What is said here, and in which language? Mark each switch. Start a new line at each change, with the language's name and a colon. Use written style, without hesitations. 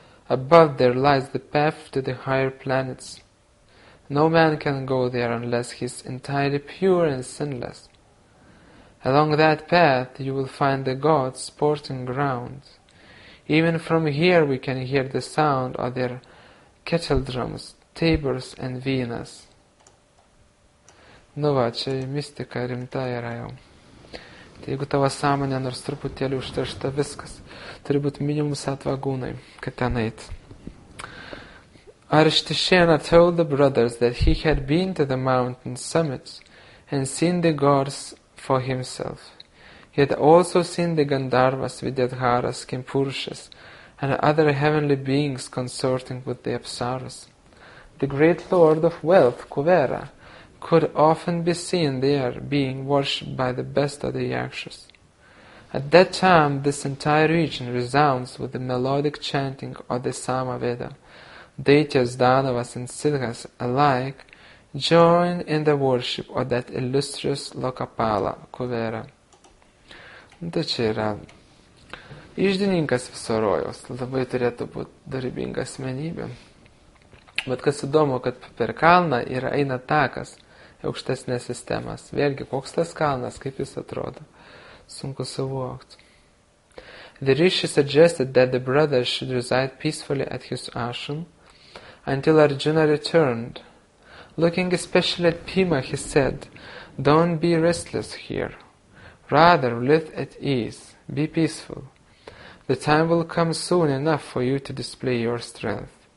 English: Above there lies the path to the higher planets. No man can go there unless he is entirely pure and sinless. Along that path you will find the gods sporting ground. Even from here we can hear the sound of their kettledrums, tabors and veenas.
Lithuanian: Nu va, čia mistika rimta yra jau. Tai jeigu tavo sąmonė nors truputėlį užteršta, viskas, turi būti minimum satvagūnai, kad ten eit.
English: Arštišena told the brothers that he had been to the mountain summits and seen the gods for himself. He had also seen the Gandharvas, Vidyadharas, Kimpurushas, and other heavenly beings consorting with the Apsaras. The great lord of wealth, Kuvera, could often be seen there being worshipped by the best of the Yakshas. At that time, this entire region resounds with the melodic chanting of the Samaveda. Daityas, Danavas, and Siddhas alike join in the worship of that illustrious Lokapala, Kuvera.
Lithuanian: Tai čia yra iždininkas viso rojos, labai turėtų būti darybinga asmenybė. Bet kas įdomu, kad per kalną yra eina takas, aukštesnės sistemas. Vėlgi, koks tas kalnas, kaip jis atrodo, sunku suvokti.
English: The rishi suggested that the brothers should reside peacefully at his ashram until Arjuna returned. Looking especially at Bhima, he said, "Don't be restless here. Rather, live at ease. Be peaceful. The time will come soon enough for you to display your strength.